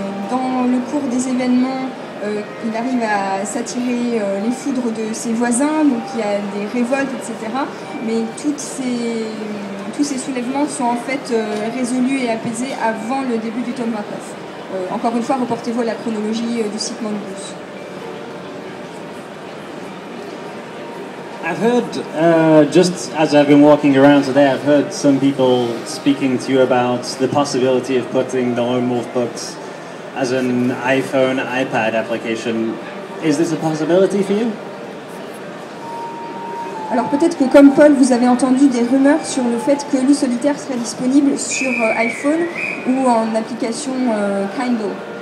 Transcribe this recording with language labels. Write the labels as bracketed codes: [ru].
[fr] Dans le cours des événements, il arrive à s'attirer les foudres de ses voisins, donc il y a des révoltes, etc. Mais tous ces soulèvements sont en fait résolus et apaisés avant le début du tome 29. Encore une fois, reportez-vous à la chronologie du site Mongoose. [en] I've heard, just as I've been walking around today, I've heard some people speaking to you about the possibility of putting the Lone Wolf books as an iPhone, iPad application. Is this a possibility for you? [fr] Alors peut-être que comme Paul, vous avez entendu des rumeurs sur le fait que Loup Solitaire serait disponible sur iPhone ou en application Kindle.